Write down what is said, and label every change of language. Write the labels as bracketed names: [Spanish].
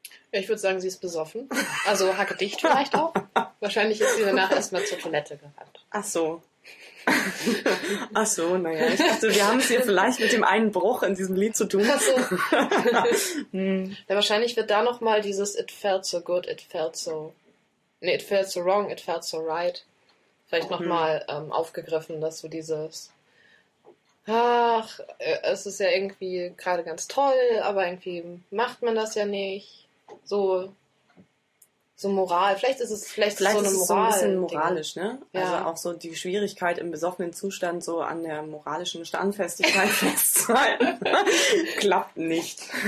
[German] Ich würde sagen, sie ist besoffen. Also hackedicht vielleicht auch. Wahrscheinlich ist sie danach erstmal zur Toilette gerannt. Ach so. Ach so, naja. Ich dachte, wir haben es hier vielleicht mit dem einen Bruch in diesem Lied zu tun. Ach so. Ja, wahrscheinlich wird da nochmal dieses [English] it felt so good, it felt so... Nee, it felt so wrong, it felt so right. [German] Vielleicht nochmal aufgegriffen, dass so dieses... Ach, es ist ja irgendwie gerade ganz toll, aber irgendwie macht man das ja nicht. So so Moral, vielleicht ist es so ein bisschen moralisch, ne? Ja. Also auch so die Schwierigkeit im besoffenen Zustand so an der moralischen Standfestigkeit festzuhalten. Klappt nicht.